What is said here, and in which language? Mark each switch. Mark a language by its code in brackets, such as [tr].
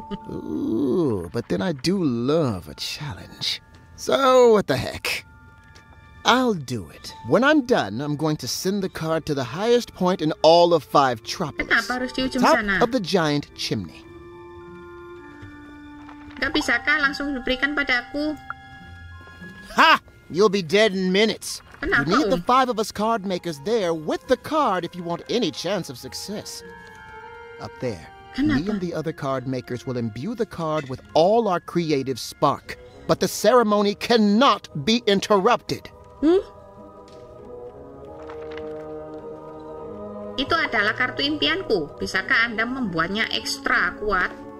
[en] Ooh, but then I do love a challenge. So, what the heck? I'll do it. When I'm done, I'm going to send the card to the highest point in all of 5 tropics. Top of the giant chimney. [id] Gak bisa kah langsung diberikan padaku? Ha! [en] You'll be dead in minutes. [id] Kenapa? [en] You need the 5 of us card makers there with the card if you want any chance of success. Up there. [id] Kenapa? [en] Me and the other card makers will imbue the card with all our creative spark. But the ceremony cannot be interrupted. Hmm? [id] Itu adalah kartu impianku. Bisakah Anda membuatnya ekstra kuat?